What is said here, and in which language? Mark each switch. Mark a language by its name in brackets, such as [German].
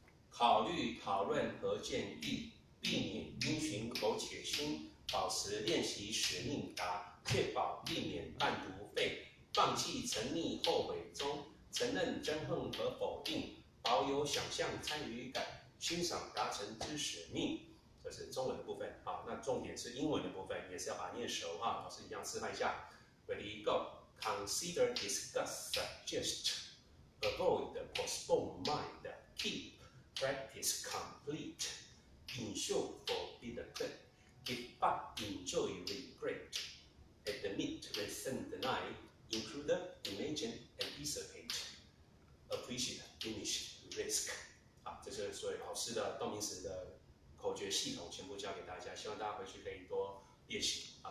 [Chinese] 考虑、讨论和建议，避免因循苟且心，保持练习使命达，确保避免半途废，放弃沉溺后悔中，承认憎恨和否定，保有想象参与感，欣赏达成之使命。这是中文的部分，好，那重点是英文的部分，也是要把它念熟哈，老师一样示范一下。 [English] Ready go。 Consider, discuss, suggest, avoid, postpone, mind, keep, practice, complete, ensure, forbid, give up, enjoy, regret, admit, resent, deny, include, imagine, anticipate, appreciate, finish, risk. [Chinese] 好，这是所有老师的动名词的口诀系统，全部教给大家，希望大家回去可以多练习。